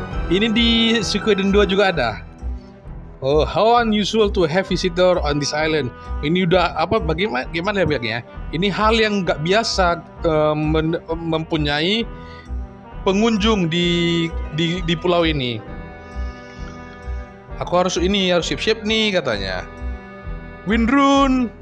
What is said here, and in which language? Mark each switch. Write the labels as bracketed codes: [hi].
[id] Ini di Suikoden 2 juga ada. [en] Oh, how unusual to have visitor on this island. [id] Ini udah apa, bagaimana ya bilangnya? Ini hal yang enggak biasa mempunyai pengunjung di pulau ini. Aku harus ini, harus siap-siap nih katanya. Windrun.